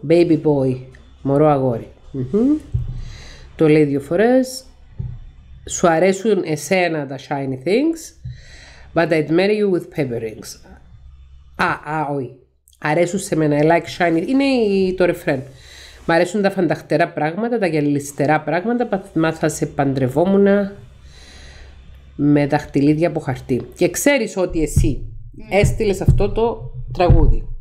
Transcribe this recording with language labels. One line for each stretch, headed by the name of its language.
English: baby boy,
Greek: μωρό αγόρι. Mm-hmm. Το λέει δύο φορές. Σου αρέσουν εσένα τα
English: shiny things, but I'd marry you with paper rings.
Greek: Όχι. Αρέσουν σε μένα,
English: I like shiny.
Greek: Είναι το ρεφρέν. Μ' αρέσουν τα φανταχτερά πράγματα, τα γυαλιστερά πράγματα, μα θα σε παντρευόμουν με τα χτυλίδια από χαρτί. Και ξέρεις ότι εσύ έστειλες αυτό το τραγούδι.